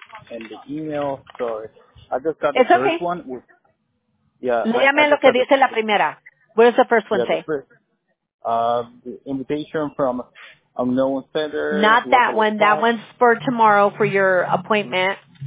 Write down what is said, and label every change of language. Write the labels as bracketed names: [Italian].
[English] And the email, sorry. I just got the first one. With, [Spanish] Léame lo que dice la primera. [English] What does the first one say? The invitation from unknown sender. Not that one. Splash. That one's for tomorrow for your appointment.